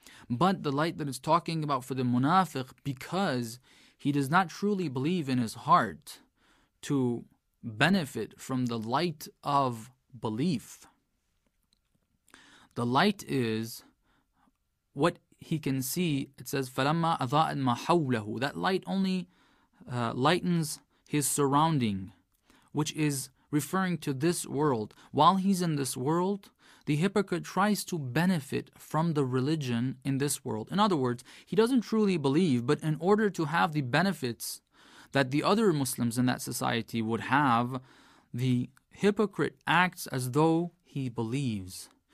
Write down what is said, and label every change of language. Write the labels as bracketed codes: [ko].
[en] But the light that it's talking about for the munafiq, because he does not truly believe in his heart to benefit from the light of belief. The light is what he can see. It says, [ar] فَلَمَّا أَضَاءَ مَا حَوْلَهُ. [en] That light only lightens his surrounding, which is referring to this world. While he's in this world, the hypocrite tries to benefit from the religion in this world. In other words, he doesn't truly believe, but in order to have the benefits that the other Muslims in that society would have, the hypocrite acts as though he believes.